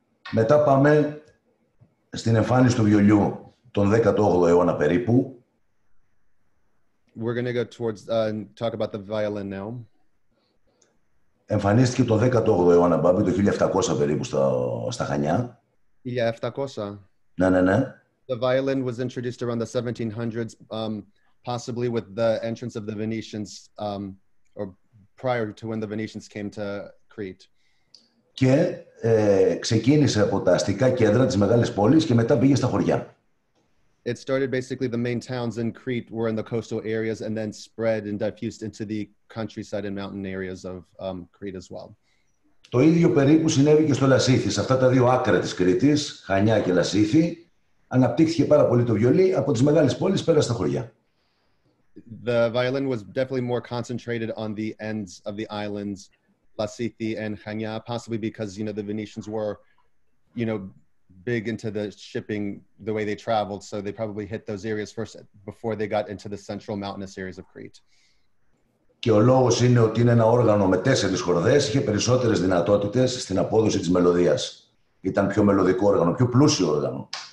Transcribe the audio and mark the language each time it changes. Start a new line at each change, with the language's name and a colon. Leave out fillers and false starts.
Greek: Μετά πάμε στην εμφάνιση του βιολιού τον 18ο αιώνα περίπου.
English: We're going to go towards talk about the violin now.
Greek: Εμφανίστηκε το 18ο αιώνα, Μπάμπη, το 1700 περίπου στα Χανιά. 1700. Ναι.
English: The violin was introduced around the 1700s, possibly with the entrance of the Venetians, or prior to when the Venetians came to Crete.
Greek: Και ξεκίνησε από τα αστικά κέντρα της μεγάλης πόλης και μετά πήγε στα χωριά.
English: It started basically the main towns in Crete were in the coastal areas and then spread and diffused into the countryside and mountain areas of Crete as well.
Greek: Το ίδιο περίπου συνέβη και στο Λασίθι, σε αυτά τα δύο άκρα της Κρήτης, Χανιά και Λασίθι, αναπτύχθηκε πάρα πολύ το βιολί από τις μεγάλες πόλεις πέρα στα χωριά.
English: The violin was definitely more concentrated on the ends of the islands, Λασίθι and Χανιά, possibly because, you know, the Venetians were, you know, big into the shipping, the way they traveled, so they probably hit those areas first before they got into the central mountainous areas of Crete.
Greek: Και ο λόγος είναι ότι είναι ένα όργανο με τέσσερις χορδές, είχε περισσότερες δυνατότητες στην απόδοση της μελωδίας. Ήταν πιο μελωδικό όργανο, πιο πλούσιο όργανο.